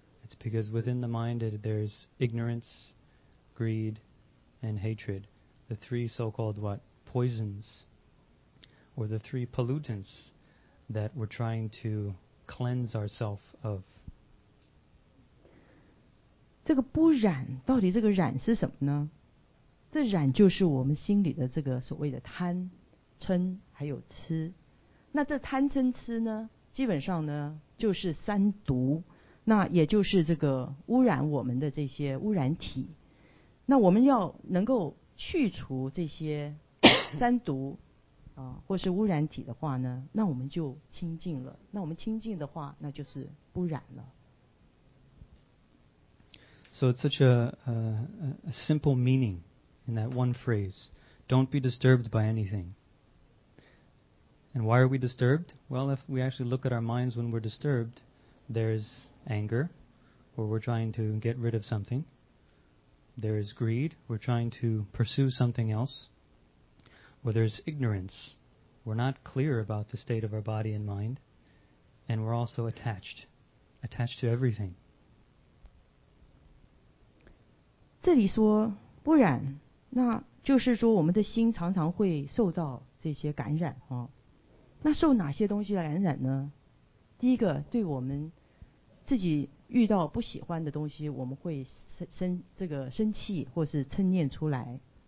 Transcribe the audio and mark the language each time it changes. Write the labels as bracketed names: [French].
[English] It's because within the mind there's ignorance, greed, and hatred. The three so-called what? Poisons. Or the three pollutants that we're trying to cleanse ourselves of. [Chinese] 这个不染，到底这个染是什么呢？这染就是我们心里的这个所谓的贪、嗔还有痴。那这贪、嗔、痴呢，基本上呢就是三毒，那也就是这个污染我们的这些污染体。那我们要能够去除这些三毒啊，或是污染体的话呢，那我们就清净了。那我们清净的话，那就是不染了。 [English] So it's such a simple meaning in that one phrase. Don't be disturbed by anything. And why are we disturbed? Well, if we actually look at our minds when we're disturbed, there's anger, or we're trying to get rid of something. There's greed, we're trying to pursue something else. Or there's ignorance, we're not clear about the state of our body and mind. And we're also attached to everything. [Chinese] 这里说不染，那就是说我们的心常常会受到这些感染啊。那受哪些东西的感染呢？第一个，对我们自己遇到不喜欢的东西，我们会生气或是嗔念出来。